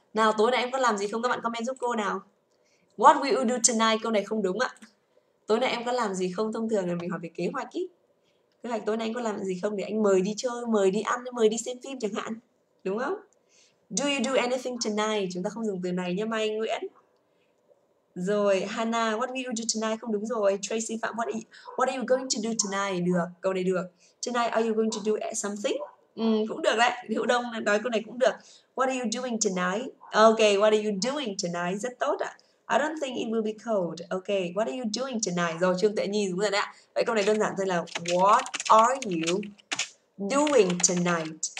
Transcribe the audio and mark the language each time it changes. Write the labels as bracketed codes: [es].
[vi] Nào tối nay em có làm gì không? Các bạn comment giúp cô nào. [en] What will you do tonight? [vi] Câu này không đúng ạ. Tối nay em có làm gì không? Thông thường là mình hỏi về kế hoạch ý. Kế hoạch tối nay anh có làm gì không? Để anh mời đi chơi, mời đi ăn, mời đi xem phim chẳng hạn. Đúng không? [en] Do you do anything tonight? [vi] Chúng ta không dùng từ này nha Mai Nguyễn. Rồi, [en] Hannah, what will you do tonight? [vi] Không đúng rồi. [en] Tracy Phạm, what are you going to do tonight? [vi] Được, câu này được. [en] Tonight, are you going to do something? [vi] Cũng được đấy, Hữu Đông nói câu này cũng được. [en] What are you doing tonight? Ok, what are you doing tonight? [vi] Rất tốt ạ. [en] I don't think it will be cold. Ok, what are you doing tonight? [vi] Rồi, Trương Tuệ Nhi đúng rồi đấy ạ. Vậy câu này đơn giản thôi là [en] what are you doing tonight?